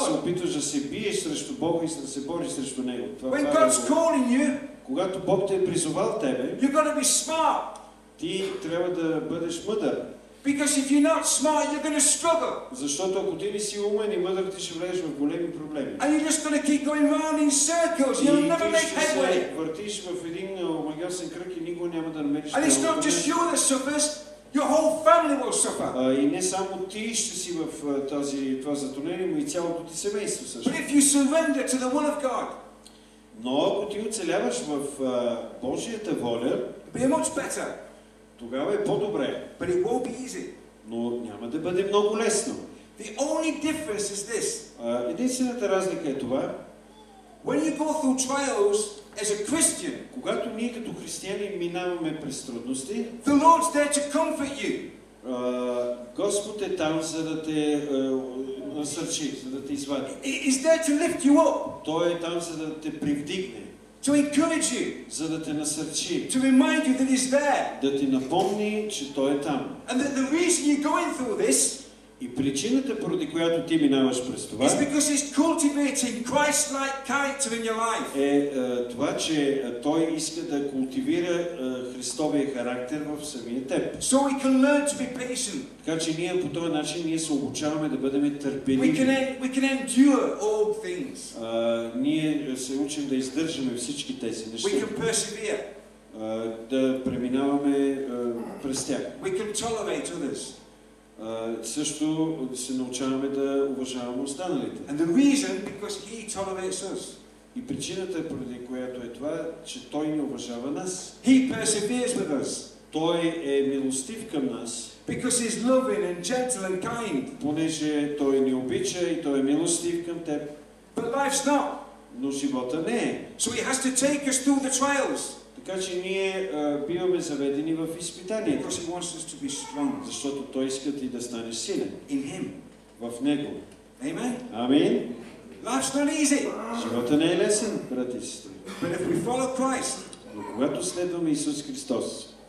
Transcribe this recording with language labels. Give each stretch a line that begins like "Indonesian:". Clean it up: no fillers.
Bulgarian: Да се опитваш да се биеш срещу Бога и да се бориш срещу Него.
English: When God's calling you.
Bulgarian: Когато Бог те е призовал тебе,
English: you gotta be smart.
Bulgarian: Ти трябва да бъдеш мъдър.
English: Because if you're not smart, you're gonna struggle.
Bulgarian: Защото ако ти не си умен и мъдър, ти ще влезеш в големи проблеми.
English: And you're just gonna keep going round in circles. You'll never make headway.
Bulgarian: И ще се въртиш в един омагьосан кръг и никога няма да намериш.
English: And it's not just you that suffers. Your whole family will suffer.
Bulgarian: И не само ти ще си в това затруднение, но и цялото ти семейство също.
English: But if you surrender to the will of God.
Bulgarian: Но ако ти оцеляваш в Божията воля,
English: be much better.
Bulgarian: Тогава е по-добре.
English: But it won't be easy.
Bulgarian: Но няма да бъде много лесно.
English: The only difference is this.
Bulgarian: Единствената разлика е това.
English: When you go through trials as a Christian,
Bulgarian: когато ние като християни минаваме през трудности,
English: the Lord's there to comfort you.
Bulgarian: Господ е там, за да те насърчи, за да те извади.
English: Is there to lift you up?
Bulgarian: Той е там, за да те привдигне.
English: To encourage you.
Bulgarian: За да те насърчи.
English: To remind you that he's there.
Bulgarian: Да ти напомни, че той е там.
English: And that the reason you're going through this.
Bulgarian: И причината, поради която ти минаваш през това,
English: is because he's cultivating Christ-like character in your life.
Bulgarian: Е това, че той иска да култивира Христовия характер в самия теб.
English: So we can learn to be patient.
Bulgarian: Така че ние по този начин ние се обучаваме да бъдем търпеливи.
English: We can endure all things.
Bulgarian: Ние се учим да издържаме всички тези неща.
English: We can persevere.
Bulgarian: Да преминаваме през тях.
English: We can tolerate others.
Bulgarian: Също се научаваме да уважаваме останалите.
English: And the reason, because he tolerates us.
Bulgarian: И причината, поради която е това, че той ни уважава нас.
English: He perseveres with us.
Bulgarian: Той е милостив към нас.
English: Because he's loving and gentle and kind.
Bulgarian: Понеже той ни обича и той е милостив към теб.
English: But life's not.
Bulgarian: Но живота не е.
English: So he has to take us through the trials.
Bulgarian: Така че ние биваме заведени в изпитания. Защото Той иска ти да станеш силен.
English: In him.
Bulgarian: В Него.
English: Amen.
Bulgarian: Амин.
English: Life's not easy.
Bulgarian: Живота не е лесен, брати и сестри.
English: But if we follow Christ.
Bulgarian: Но когато следваме Исус Христос.